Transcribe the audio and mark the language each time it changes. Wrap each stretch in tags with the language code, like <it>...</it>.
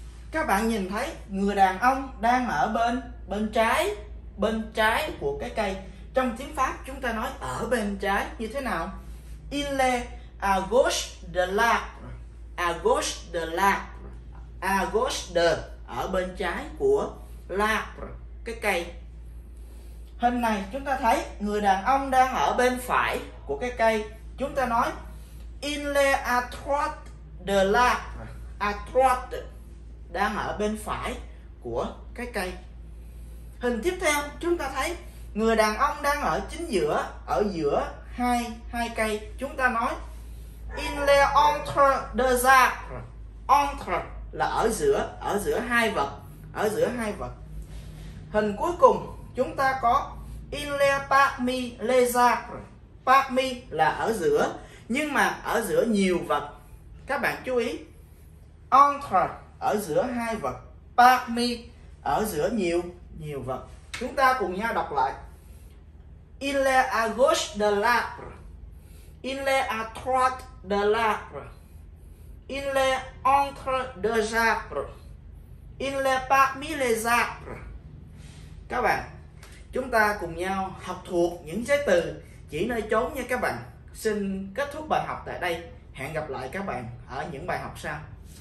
<vi>Các bạn nhìn thấy người đàn ông đang ở bên, bên trái, bên trái của cái cây. Trong tiếng Pháp chúng ta nói ở bên trái như thế nào?</vi> <fr>Il est à gauche de l'arbre. À gauche de l'arbre.</fr> <vi>À gauche de, ở bên trái của l'arbre, cái cây. Hình này chúng ta thấy người đàn ông đang ở bên phải của cái cây. Chúng ta nói</vi> <fr>Il est à droite de l'arbre.</fr> <vi>À droite, đang ở bên phải của cái cây. Hình tiếp theo chúng ta thấy người đàn ông đang ở chính giữa, ở giữa hai cây. Chúng ta nói in le</vi> <fr>entre deux arbres,</fr> <vi>entre là ở giữa hai vật, ở giữa hai vật. Hình cuối cùng chúng ta có in le</vi> <fr>parmi les arbres,</fr> <vi>parmi là ở giữa, nhưng mà ở giữa nhiều vật. Các bạn chú ý, entre ở giữa hai vật, parmi ở giữa nhiều nhiều vật. Chúng ta cùng nhau đọc lại.</vi> <fr>Il est à gauche de l'arbre. Il est à droite de l'arbre. Il est entre deux arbres. Il est parmi les arbres.</fr> <vi>Các bạn, chúng ta cùng nhau học thuộc những trái từ chỉ nơi chốn nha các bạn. Xin kết thúc bài học tại đây. Hẹn gặp lại các bạn ở những bài học sau.</vi>